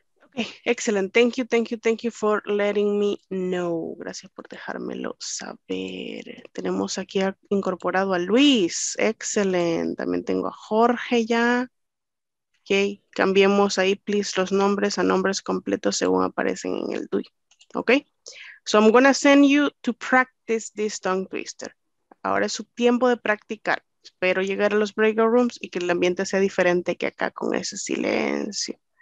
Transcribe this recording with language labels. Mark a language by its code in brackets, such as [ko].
[en] Okay, excellent. Thank you for letting me know. [es] Gracias por dejármelo saber. Tenemos aquí incorporado a Luis. Excellent. También tengo a Jorge ya. Okay, cambiemos ahí, please, los nombres a nombres completos según aparecen en el DUI. [en] Okay. So I'm gonna send you to practice this tongue twister. [es] Ahora es su tiempo de practicar. Espero llegar a los breakout rooms y que el ambiente sea diferente que acá con ese silencio.